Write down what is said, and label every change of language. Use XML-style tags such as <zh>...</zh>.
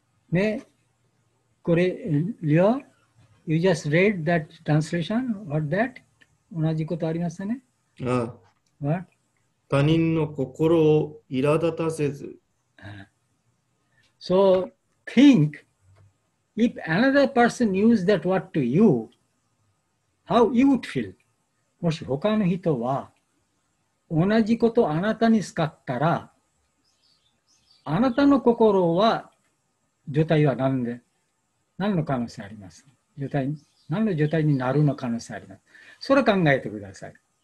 <ja>ね、これ、</ja> <en>リオ、You just read that translation, what that?</en> <ja>同じことありましたね。ああ他人の心を苛立たせず。</ja> <en>So think, if another person used that word to you, how you would feel?</en> <ja>もし他の人は同じことをあなたに使ったら、あなたの心は状態は何で、何の可能性あります。状態、何の状態になるの可能性あります。それを考えてください。</ja>